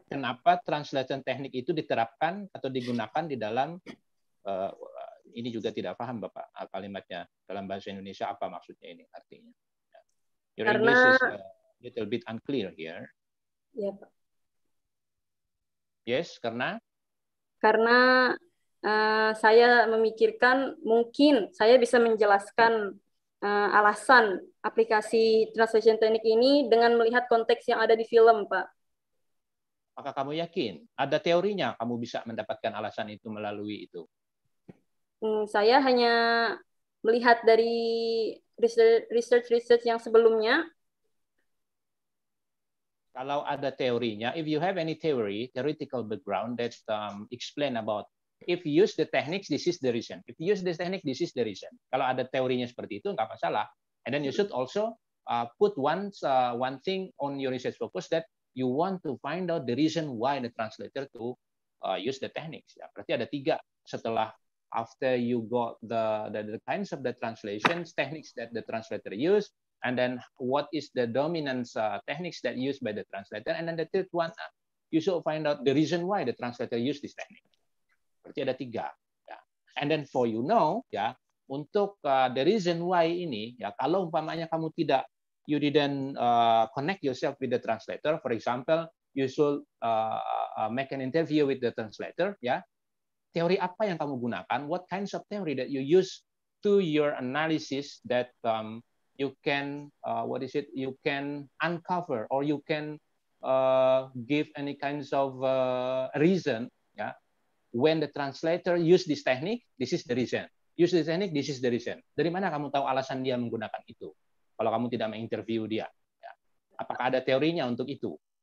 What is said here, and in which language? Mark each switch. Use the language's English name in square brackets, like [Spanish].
[Indonesian] Kenapa translation teknik itu diterapkan atau digunakan di dalam ini juga tidak paham Bapak kalimatnya dalam bahasa Indonesia apa maksudnya ini artinya. [English] Your [Indonesian] karena, [English] English is a little bit unclear here. Yep. Yes, [Indonesian] karena? Karena saya memikirkan mungkin saya bisa menjelaskan alasan aplikasi translation teknik ini dengan melihat konteks yang ada di film, Pak. Apakah kamu yakin? Ada teorinya kamu bisa mendapatkan alasan itu melalui itu? Saya hanya melihat dari research yang sebelumnya. Kalau ada teorinya, [English] if you have any theory, theoretical background that explain about if you use the techniques, this is the reason. If you use the technique, this is the reason. [Indonesian] Kalau ada teorinya seperti itu, nggak masalah. [English] And then you should also put one thing on your research focus that you want to find out the reason why the translator to use the techniques. [Indonesian] Ya, berarti ada tiga setelah [English] after you got the kinds of the translations, techniques that the translator use, and then what is the dominance techniques that used by the translator, and then the third one, you should find out the reason why the translator use this technique. [Indonesian] Berarti ada tiga. Ya. [English] And then for you know, ya, [Indonesian] untuk [English] the reason why [Indonesian] ini, ya, kalau umpamanya kamu tidak [English] you didn't connect yourself with the translator, for example, you should make an interview with the translator, yeah. [Indonesian] Teori apa yang kamu gunakan, [English] what kinds of theory that you use to your analysis that you can you can uncover or you can give any kinds of reason, yeah, when the translator use this technique, this is the reason. Use this technique, this is the reason. [Indonesian] Dari mana kamu tahu alasan dia menggunakan itu? Kalau kamu tidak menginterview dia, ya. Apakah ada teorinya untuk itu?